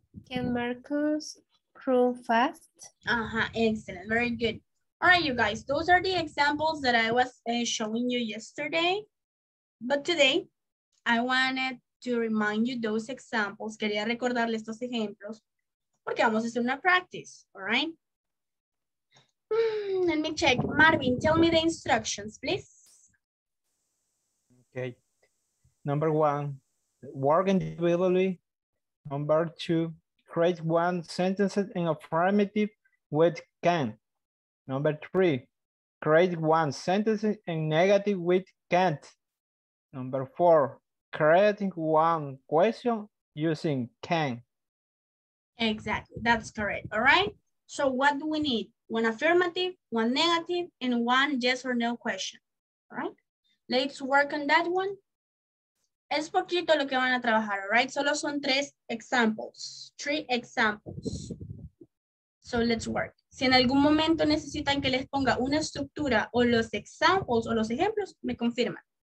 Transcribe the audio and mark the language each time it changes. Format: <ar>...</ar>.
<en>Can Marcus crawl fast? Uh-huh, excellent, very good. All right, you guys, those are the examples that I was showing you yesterday. But today, I wanted to remind you those examples.</en> <es>Quería recordarle estos ejemplos porque vamos a hacer una</es> <en>practice, all right? Let me check. Marvin, tell me the instructions, please. Okay. Number one, work individually. Number two, create one sentence in affirmative with can. Number three, create one sentence in negative with can't. Number four, creating one question using can. Exactly. That's correct. All right. So what do we need? One affirmative, one negative, and one yes or no question. All right. Let's work on that one.</en> <es>Es poquito lo que van a trabajar,</es> <en>all right?</en> <es>Solo son tres</es> <en>examples. Three examples. So let's work.</en> <es>Si en algún momento necesitan que les ponga una estructura o los</es> <en>examples</en> <es>o los ejemplos, me confirman.</es>